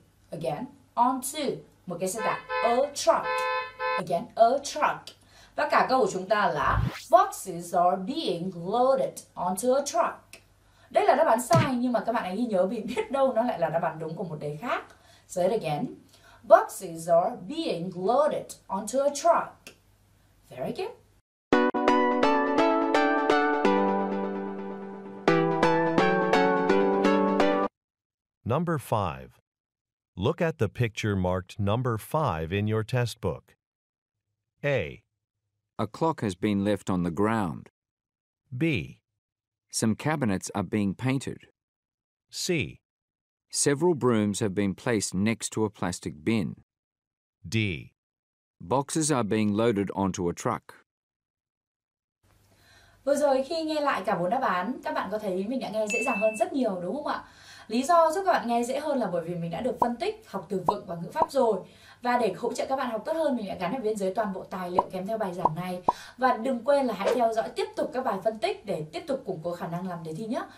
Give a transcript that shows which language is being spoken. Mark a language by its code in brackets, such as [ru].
[en] Again, onto. [vi] Một cái xe tải, [en] a truck. Again, a truck. [vi] Và cả câu của chúng ta là [en] boxes are being loaded onto a truck. [vi] Đây là đáp án sai. Nhưng mà các bạn hãy ghi nhớ vì biết đâu nó lại là đáp án đúng của một đề khác. [en] Say it again. Boxes are being loaded onto a truck. Very good. Number 5. Look at the picture marked number 5 in your test book. A. A clock has been left on the ground. B. Some cabinets are being painted. C. Several brooms have been placed next to a plastic bin. D. Boxes are being loaded onto a truck. [vi] Vừa rồi khi nghe lại cả bốn đáp án, các bạn có thấy mình đã nghe dễ dàng hơn rất nhiều đúng không ạ? Lý do giúp các bạn nghe dễ hơn là bởi vì mình đã được phân tích, học từ vựng và ngữ pháp rồi. Và để hỗ trợ các bạn học tốt hơn, mình đã gắn ở bên dưới toàn bộ tài liệu kèm theo bài giảng này. Và đừng quên là hãy theo dõi tiếp tục các bài phân tích để tiếp tục củng cố khả năng làm đề thi nhé.